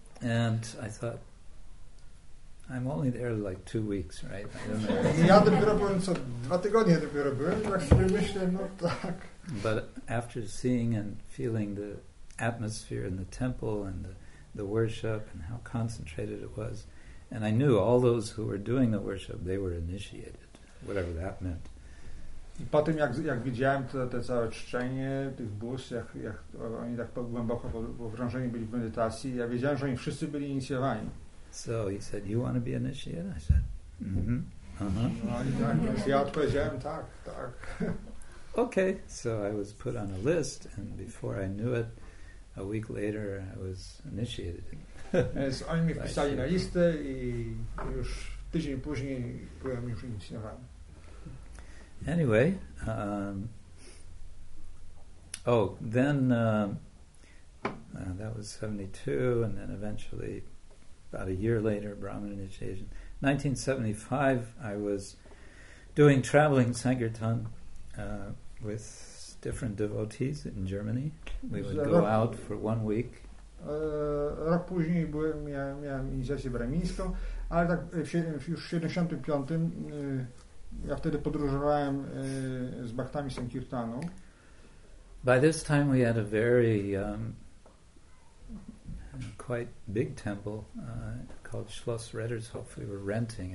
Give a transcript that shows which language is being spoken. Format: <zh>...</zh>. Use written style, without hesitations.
<en>And I thought, I'm only there like 2 weeks, right? I don't know.</en> <pl>Ja dopiero byłem co 2 tygodnie dopiero byłem. Tak sobie myślę, no tak.</pl> <en>But after seeing and feeling the atmosphere in the temple and the worship and how concentrated it was, and I knew all those who were doing the worship, they were initiated, whatever that meant.</en> <pl>I po tym, jak widziałem to całe czczenie tych bóstw, jak oni tak głęboko wrążeni byli w medytacji, ja wiedziałem, że oni wszyscy byli inicjowani.</pl> <en>So he said, you want to be initiated? I said, Okay, so I was put on a list, and before I knew it, a week later, I was initiated.</en> <pl>Oni mnie wpisali na listę i już tydzień później byłem już inicjowany.</pl> <en>Anyway, that was 72, and then eventually, about a year later, Brahman initiation. 1975, I was doing traveling Sankirtan with different devotees in Germany. We would go out for 1 week.</en> <pl>Rok później byłem, miałem inicjację bramińską, ale tak już w 75 ja wtedy podróżowałem z bhaktami Sankirtanu.</pl> <en>By this time we had a very quite big temple called Schloss Reddershof. We were renting.</en>